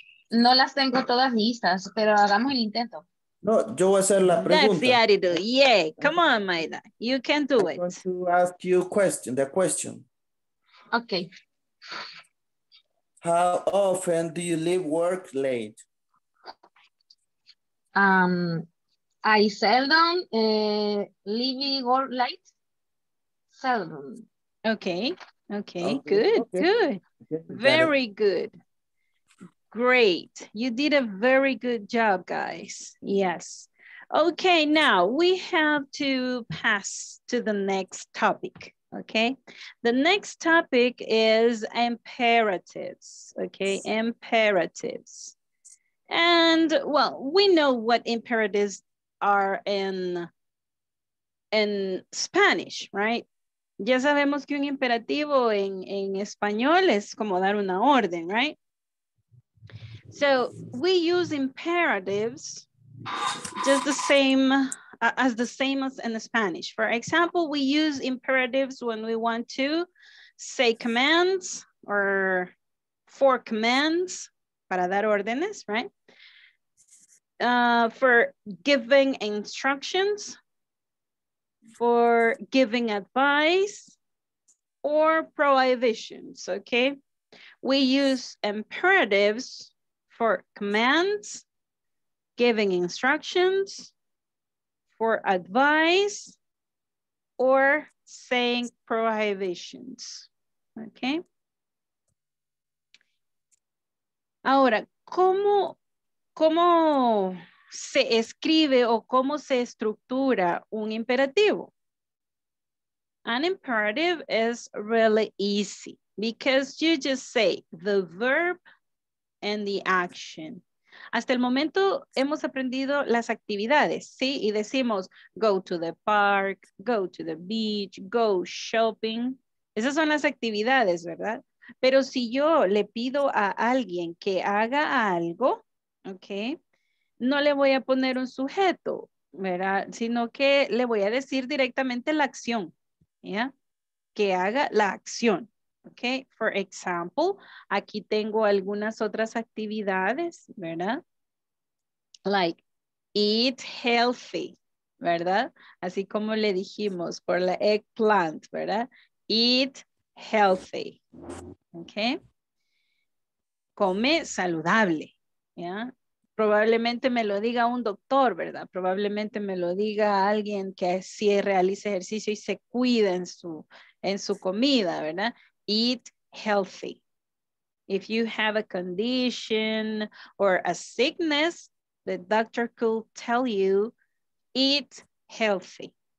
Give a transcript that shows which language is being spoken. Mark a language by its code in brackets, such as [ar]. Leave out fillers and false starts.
[es] No las tengo todas listas, pero hagamos el intento. No, yo voy a hacer la pregunta. [en] That's the attitude. Yay. Come on, Maida. You can do I'm it. I'm going to ask you a question, the question. Okay. How often do you leave work late? I seldom leave work late. Seldom. Okay. Okay, good, okay. Good. Very good. Great. You did a very good job, guys. Yes. Okay, now we have to pass to the next topic. Okay. The next topic is imperatives. Okay, imperatives. And well, we know what imperatives are in Spanish, right? [es] Ya sabemos que un imperativo en español es como dar una orden, right? [en] So we use imperatives just the same as in Spanish. For example, we use imperatives when we want to say commands or for commands [es] para dar órdenes, [en] right? For giving instructions, for giving advice, or prohibitions, okay? We use imperatives for commands, giving instructions, for advice, or saying prohibitions, okay? [es] Ahora, ¿cómo se escribe o cómo se estructura un imperativo? [en] An imperative is really easy because you just say the verb and the action. [es] Hasta el momento hemos aprendido las actividades, ¿sí? Y decimos [en] go to the park, go to the beach, go shopping. [es] Esas son las actividades, ¿verdad? Pero si yo le pido a alguien que haga algo, okay, no le voy a poner un sujeto, ¿verdad? Sino que le voy a decir directamente la acción, ¿ya? Que haga la acción, okay? [en] For example, [es] aquí tengo algunas otras actividades, ¿verdad? [en] Like, eat healthy, ¿verdad? [es] Así como le dijimos por la eggplant, ¿verdad? [en] Eat healthy, okay? [es] Come saludable, ¿ya? Probablemente me lo diga un doctor, ¿verdad? Probablemente me lo diga alguien que sí realice ejercicio y se cuida en su comida, ¿verdad? [en] Eat healthy. If you have a condition or a sickness, the doctor could tell you, eat healthy.